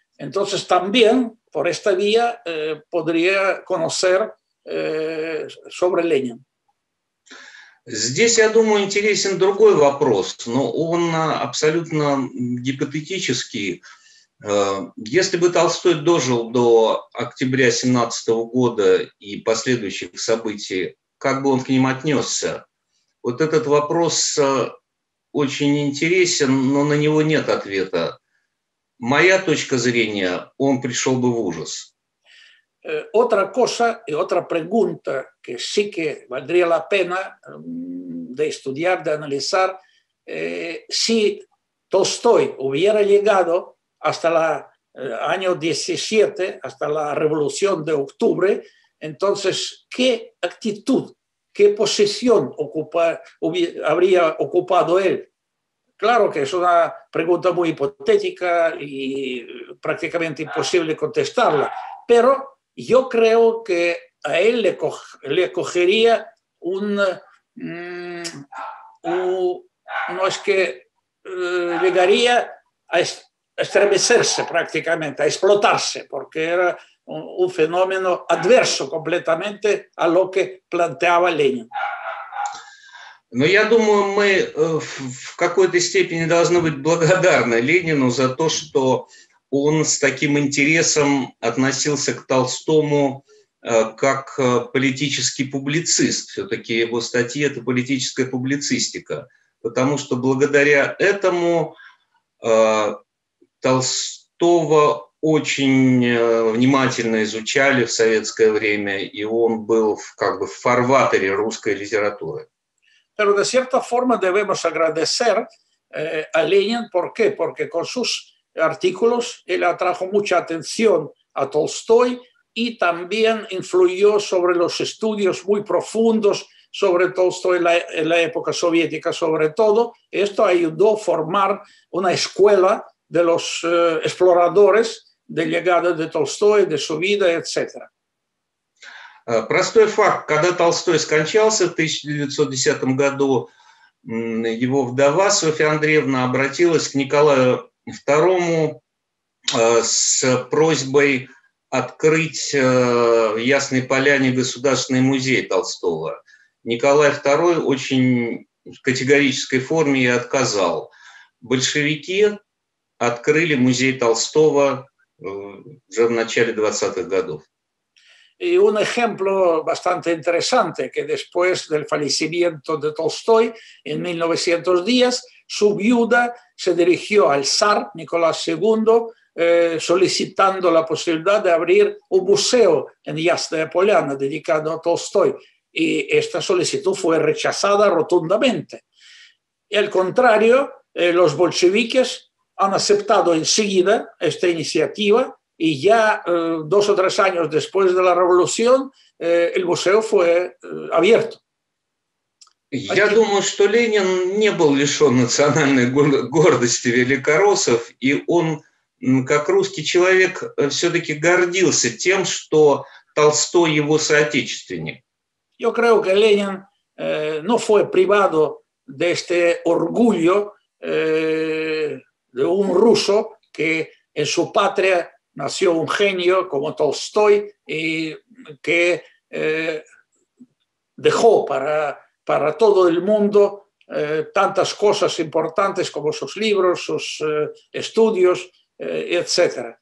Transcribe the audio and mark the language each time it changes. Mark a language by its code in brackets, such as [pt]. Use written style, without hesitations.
[es] Entonces también por esta vía podría conocer sobre Lenin. [ru] Здесь, я думаю, интересен другой вопрос, но он абсолютно гипотетический. Если бы Толстой дожил до октября 17 года и последующих событий, как бы он к ним отнесся? Вот этот вопрос очень интересен, но на него нет ответа. Моя точка зрения, он пришел бы в ужас. [es] Otra cosa y otra pregunta que sí que valdría la pena de estudiar, de analizar, si Толстой hubiera llegado hasta el año 17, hasta la Revolución de Octubre, entonces, ¿qué actitud, qué posición habría ocupado él? Claro que es una pregunta muy hipotética y prácticamente imposible contestarla, pero yo creo que a él le cogería llegaría a estremecerse prácticamente, a explotarse, porque era un fenómeno adverso completamente a lo que planteaba Lenin. [ru] Но я думаю, мы в какой-то степени должны быть благодарны Ленину за то, что он с таким интересом относился к Толстому как политический публицист. Все-таки его статьи – это политическая публицистика. Потому что благодаря этому Толстого очень внимательно изучали в советское время, и он был как бы в фарватере русской литературы. [es] Pero de cierta forma debemos agradecer a Lenin, ¿por qué? Porque con sus artículos él atrajo mucha atención a Tolstoy y también influyó sobre los estudios muy profundos sobre Tolstoy en la época soviética, sobre todo. Esto ayudó a formar una escuela de los exploradores del legado de Tolstoy, de su vida, etc. [ru] Простой факт. Когда Толстой скончался в 1910 году, его вдова Софья Андреевна обратилась к Николаю II с просьбой открыть в Ясной Поляне Государственный музей Толстого. Николай II очень в категорической форме и отказал. Большевики открыли музей Толстого уже в начале 20-х годов. [es] Y un ejemplo bastante interesante, que después del fallecimiento de Tolstoy, en 1910, su viuda se dirigió al zar, Nicolás II, solicitando la posibilidad de abrir un museo en Ясная Поляна, dedicado a Tolstoy. Y esta solicitud fue rechazada rotundamente. Y al contrario, los bolcheviques han aceptado enseguida esta iniciativa, y ya dos o tres años después de la revolución el museo fue abierto. [ru] Я думаю, что Ленин не был лишен национальной гордости великороссов, и он, как русский человек, все-таки гордился тем, что Толстой его соотечественник. [es] Yo creo que Ленин no fue privado de este orgullo de un ruso que en su patria nació un genio como Tolstoy y que dejó para todo el mundo tantas cosas importantes como sus libros, sus estudios, etc.